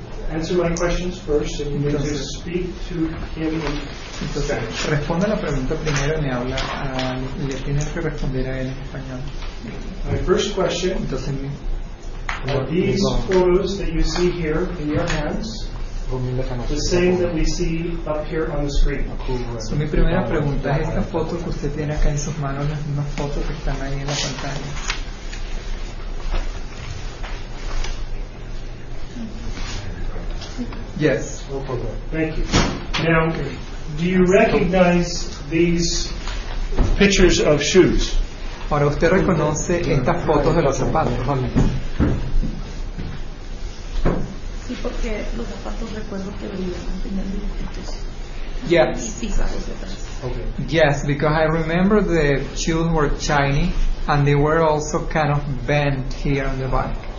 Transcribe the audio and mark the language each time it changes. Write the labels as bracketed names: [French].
[English] answer my questions first, and you need to speak to him. [Spanish] Entonces, responda la pregunta primero y me habla, y le tienes que responder a él en español. [English] My first question. [Spanish] Entonces, me, [English] these photos that you see here in your hands, the same that we see up here on the screen. [Spanish] So, mi primera pregunta es esta foto que usted tiene acá en sus manos, las mismas fotos que están ahí en la pantalla. [English] Yes. No problem. Thank you. Now, do you recognize these pictures of shoes? [Spanish] ¿Para usted reconoce estas fotos de los zapatos? Sí, porque los zapatos recuerdo que brillaban, tenían dibujitos. [English] Yes. Yes, because I remember the shoes were shiny and they were also kind of bent here on the back.